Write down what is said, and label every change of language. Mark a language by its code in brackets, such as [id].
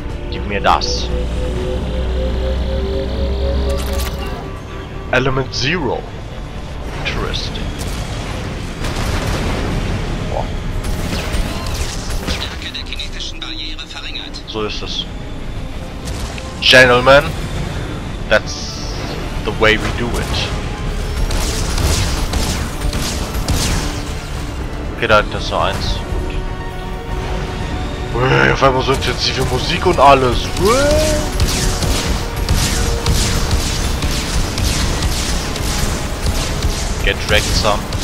[de] Gib mir das. [en] Element Zero. Interesting. Boah. [de] Stärke der kinetischen Barriere verringert. So ist es. [en] Gentlemen, that's the way we do it. [de] Okay, da hinten ist noch eins. Hey, auf einmal so intensive Musik und alles. Hey. [en] Get wrecked some.